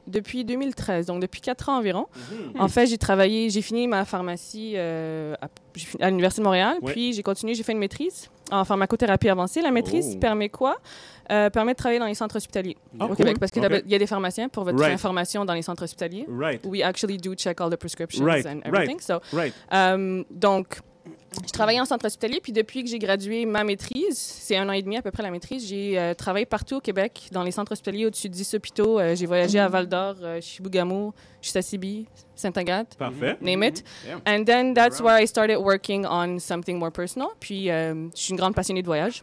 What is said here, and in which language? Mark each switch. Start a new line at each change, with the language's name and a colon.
French: Depuis 2013, donc depuis 4 ans environ. Mmh. En fait, j'ai fini ma pharmacie à l'Université de Montréal, ouais. Puis j'ai fait une maîtrise en pharmacothérapie avancée. La maîtrise permet quoi? Permet de travailler dans les centres hospitaliers au Québec. Parce qu'il y a des pharmaciens pour votre information dans les centres hospitaliers.
English: Right. We actually do check all the prescriptions and everything. Right. So, right.
French: Donc, je travaillais en centre hospitalier, puis depuis que j'ai gradué ma maîtrise, c'est un an et demi à peu près la maîtrise, j'ai travaillé partout au Québec, dans les centres hospitaliers au-dessus de 10 hôpitaux. J'ai voyagé à Val-d'Or, Chibougamau, Chisasibi, Sainte-Agathe,
English: name it. Yeah. And then that's where I started working on something more personal,
French: puis je suis une grande passionnée de voyage.